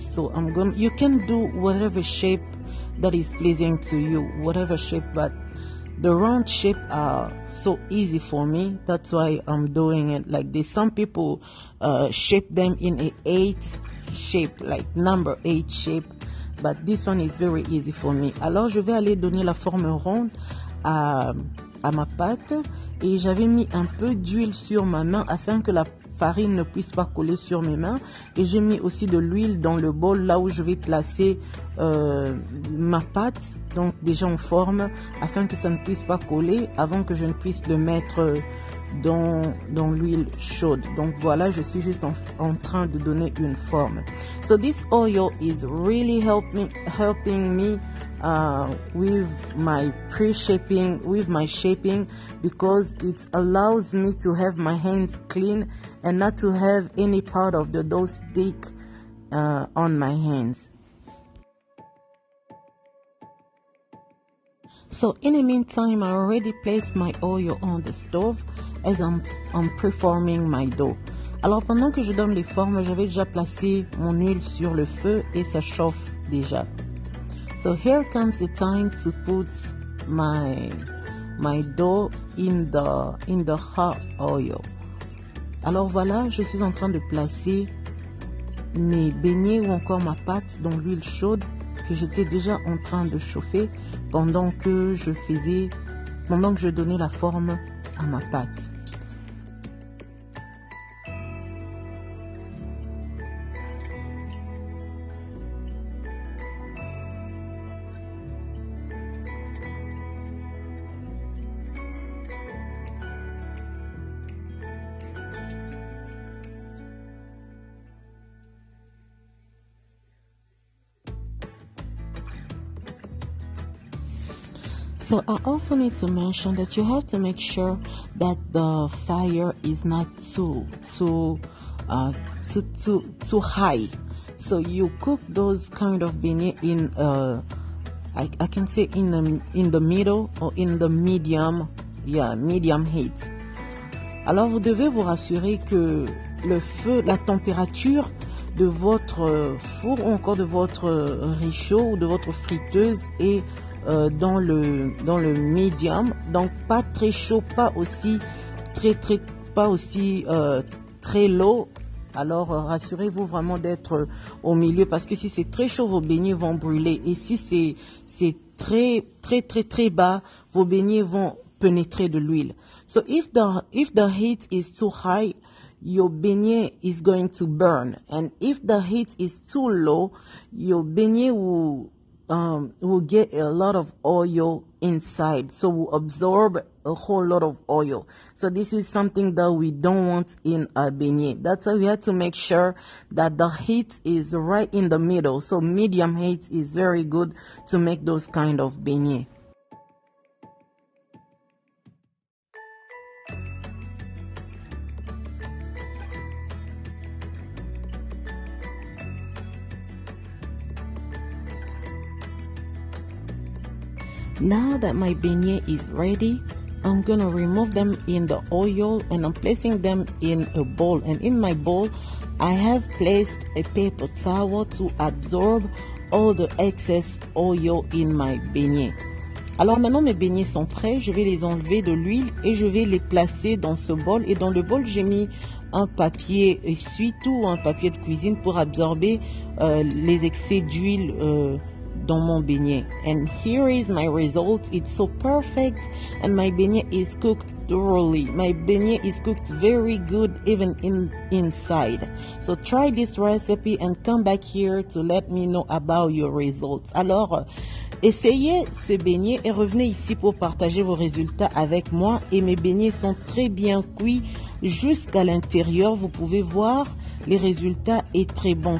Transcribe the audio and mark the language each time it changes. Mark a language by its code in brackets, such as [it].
[en] So you can do whatever shape that is pleasing to you, whatever shape, but the round shape are so easy for me. That's why I'm doing it like this. Some people shape them in an 8 shape, like number 8 shape. But this one is very easy for me. [fr] Alors, je vais aller donner la forme ronde à ma pâte. Et j'avais mis un peu d'huile sur ma main afin que la farine ne puisse pas coller sur mes mains. Et j'ai mis aussi de l'huile dans le bol là où je vais placer ma pâte. Donc déjà en forme afin que ça ne puisse pas coller avant que je ne puisse le mettre dans l'huile chaude. Donc voilà, je suis juste en train de donner une forme. [en] So this oil is really helping me with my pre-shaping, with my shaping, because it allows me to have my hands clean and not to have any part of the dough stick on my hands. So in the meantime, I already placed my oil on the stove as I'm preforming my dough. [fr] Alors pendant que je donne les formes, j'avais déjà placé mon huile sur le feu et ça chauffe déjà. [en] So here comes the time to put my dough in the hot oil. [fr] Alors voilà, je suis en train de placer mes beignets ou encore ma pâte dans l'huile chaude que j'étais déjà en train de chauffer pendant que je donnais la forme à ma pâte. [en] So I also need to mention that you have to make sure that the fire is not too high. So you cook those kind of beignets in I can say in the middle or in the medium heat. [fr] Alors vous devez vous rassurer que le feu, la température de votre four ou encore de votre réchaud ou de votre friteuse est dans le medium, donc pas très chaud, pas aussi très low. Alors rassurez-vous vraiment d'être au milieu, parce que si c'est très chaud, vos beignets vont brûler, et si c'est très très très très bas, vos beignets vont pénétrer de l'huile. [en] So if the heat is too high, your beignet is going to burn, and if the heat is too low, your beignet will get a lot of oil inside, so we'll absorb a whole lot of oil. So this is something that we don't want in a beignet. That's why we have to make sure that the heat is right in the middle. So medium heat is very good to make those kind of beignet. Now that my beignet is ready, I'm gonna remove them in the oil and I'm placing them in a bowl. And in my bowl, I have placed a paper towel to absorb all the excess oil in my beignet. [fr] Alors maintenant mes beignets sont prêts, je vais les enlever de l'huile et je vais les placer dans ce bol. Et dans le bol j'ai mis un papier essuie-tout ou un papier de cuisine pour absorber les excès d'huile dans mon beignet. [en] And here is my result, it's so perfect and my beignet is cooked thoroughly. My beignet is cooked very good even inside. So try this recipe and come back here to let me know about your results. [fr] Alors essayez ces beignets et revenez ici pour partager vos résultats avec moi. Et mes beignets sont très bien cuits jusqu'à l'intérieur. Vous pouvez voir, les résultats sont très bons.